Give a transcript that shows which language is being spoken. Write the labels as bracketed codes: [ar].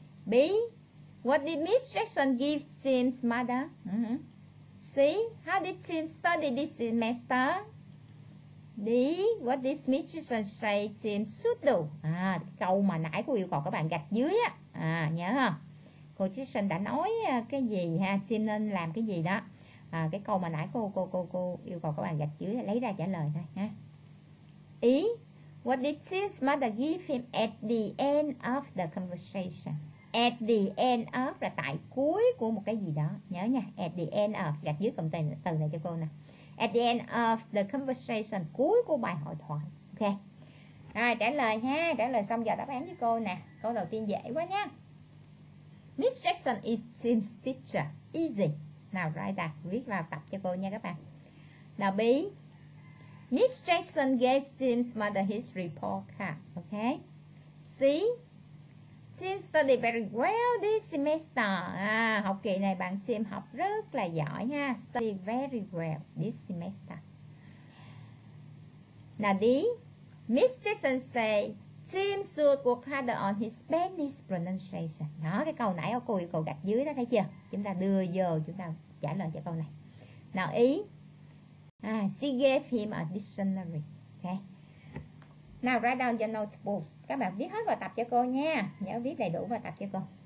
[en] B, what did Miss Jackson give Tim's mother? C, how did Tim study this semester? D, what did Miss Jackson say Tim should do? [vi] Câu mà nãy cô yêu cầu các bạn gạch dưới á. Nhớ không? Cô Jackson đã nói cái gì ha? Tim nên làm cái gì đó? Cái câu mà nãy cô yêu cầu các bạn gạch dưới lấy ra trả lời thôi ha. [en] E, what did Tim's mother give him at the end of the conversation? At the end of [vi] là tại cuối của một cái gì đó. Nhớ nha, [en] at the end of, [vi] gạch dưới cụm từ này cho cô nè. [en] At the end of the conversation, [vi] cuối của bài hội thoại. [en] Ok. [vi] Rồi trả lời ha, trả lời xong giờ đáp án với cô nè. Câu đầu tiên dễ quá nha. [en] Miss Jackson is Tim's teacher. Easy. [vi] Nào [en] write that, [vi] viết vào tập cho cô nha các bạn. Nào [en] B, Miss Jackson gave Tim's mother his report card. Ok. C, Tim studied very well this semester. [vi] Học kỳ này bạn Tim học rất là giỏi nha. [en] Study very well this semester. Now D, Miss Jackson say Tim sửa cuộc harder on his Spanish pronunciation. [vi] Đó, cái câu nãy cô yêu cầu gạch dưới đó, thấy chưa? Chúng ta đưa giờ chúng ta trả lời cho câu này. Nào ý. [en] She gave him a dictionary. Okay. Now write down your notebooks. [vi] Các bạn viết hết vào tập cho cô nha. Nhớ viết đầy đủ vào tập cho cô.